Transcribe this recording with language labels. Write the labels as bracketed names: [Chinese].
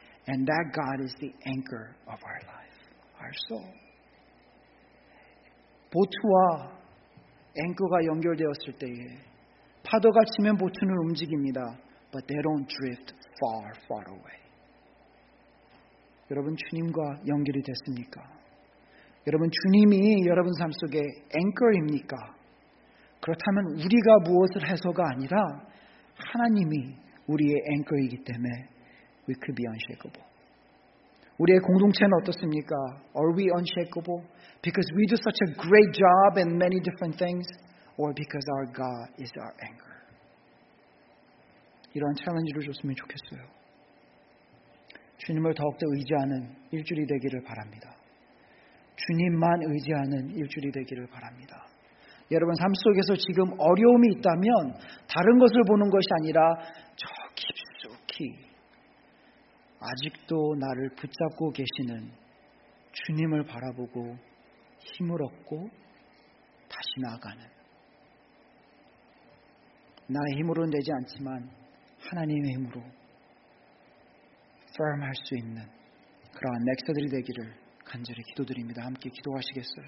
[English] And that God is the anchor of our life, our soul. [Korean] 보트와 앵커가 연결되었을 때에 파도가 치면 보트는 움직입니다. [English] But they don't drift far, far away. [Korean] 여러분 주님과 연결이 됐습니까? 여러분 주님이 여러분 삶 속에 앵커입니까? 그렇다면 우리가 무엇을 해서가 아니라 하나님이 우리의 앵커이기 때문에 [English] we could be unshakable. [Korean] 우리의 공동체는 어떻습니까? [English] Are we unshakable? Because we do such a great job in many different things or because our God is our anchor. [Korean] 이런 챌린지를 줬으면 좋겠어요. 주님을 더욱더 의지하는 일주일이 되기를 바랍니다. 주님만 의지하는 일주일이 되기를 바랍니다. 여러분 삶 속에서 지금 어려움이 있다면 다른 것을 보는 것이 아니라 저 깊숙이 아직도 나를 붙잡고 계시는 주님을 바라보고 힘을 얻고 다시 나아가는 나의 힘으로는 되지 않지만 하나님의 힘으로 firm 할 수 있는 그러한 맥스터들이 되기를 간절히 기도드립니다. 함께 기도하시겠어요?